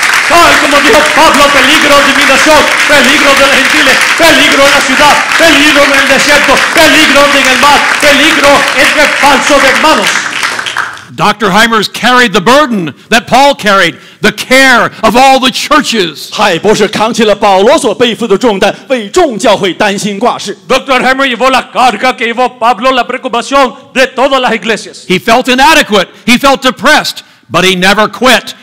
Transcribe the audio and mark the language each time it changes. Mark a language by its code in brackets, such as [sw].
[es] Pablo, peligro de mi nación, peligro de los gentiles, peligro en la ciudad, peligro en el desierto, peligro en el mar, peligro entre falsos hermanos. [en] Dr. Hymers carried the burden that Paul carried, the care of all the churches. [zh] 海博士扛起了保罗所背负的重担，为众教会担心挂事。 [es] Dr. Hymers llevó la carga que llevó Pablo, la preocupación de todas las iglesias. [en] He felt inadequate, he felt depressed, but he never quit.